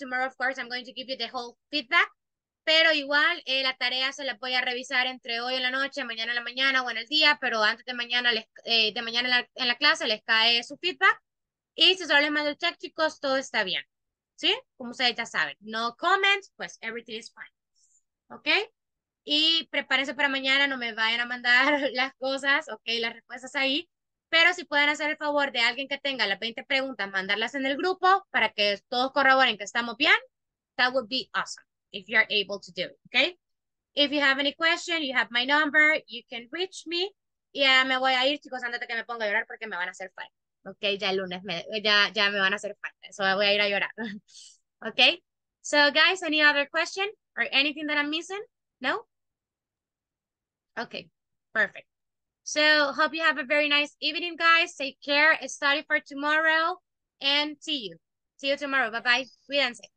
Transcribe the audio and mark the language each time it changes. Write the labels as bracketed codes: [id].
[en] Tomorrow, of course, I'm going to give you the whole feedback. [es] Pero igual, la tarea se la voy a revisar entre hoy en la noche, mañana en la mañana o en el día, pero antes de mañana, en la clase les cae su feedback. Y si solo les mando el check, chicos, todo está bien. ¿Sí? Como ustedes ya saben. [en] No comments, [es] pues [en] everything is fine. [es] ¿Ok? Y prepárense para mañana, no me vayan a mandar las cosas, ¿ok? Las respuestas ahí. Pero si pueden hacer el favor de alguien que tenga las 20 preguntas, mandarlas en el grupo para que todos corroboren que estamos bien, [en] that would be awesome if you're able to do it, okay? If you have any question, you have my number, you can reach me. [es] Yeah, me voy a ir, chicos, antes de que me ponga a llorar porque me van a hacer falta, okay? Ya el lunes, ya me van a hacer falta, so voy a ir a llorar, okay? [en] So guys, any other question or anything that I'm missing? No? Okay, perfect. So, hope you have a very nice evening, guys. Take care. Study for tomorrow. And see you. See you tomorrow. Bye-bye. [es] Cuídense.